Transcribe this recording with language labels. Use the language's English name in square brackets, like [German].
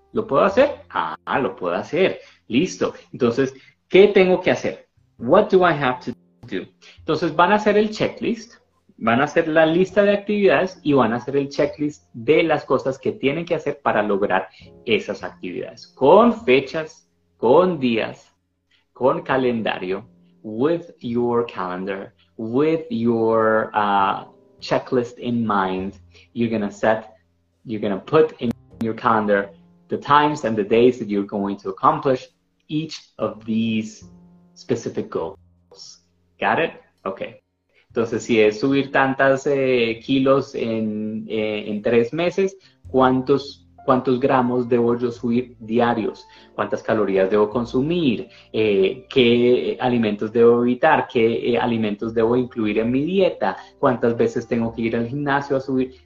[Spanish] ¿Lo puedo hacer? Ah, lo puedo hacer. Listo. Entonces, ¿qué tengo que hacer? [English] What do I have to do? [Spanish] Entonces, van a hacer el checklist, van a hacer la lista de actividades y van a hacer el checklist de las cosas que tienen que hacer para lograr esas actividades. Con fechas, con días, con calendario, [English] with your calendar, with your checklist in mind, you're gonna put in your calendar the times and the days that you're going to accomplish each of these specific goals. Got it? Okay. [Spanish] Entonces, si es subir tantas kilos en 3 meses, ¿cuántos gramos debo yo subir diarios? ¿Cuántas calorías debo consumir? ¿Qué alimentos debo evitar? ¿Qué alimentos debo incluir en mi dieta? ¿Cuántas veces tengo que ir al gimnasio a subir?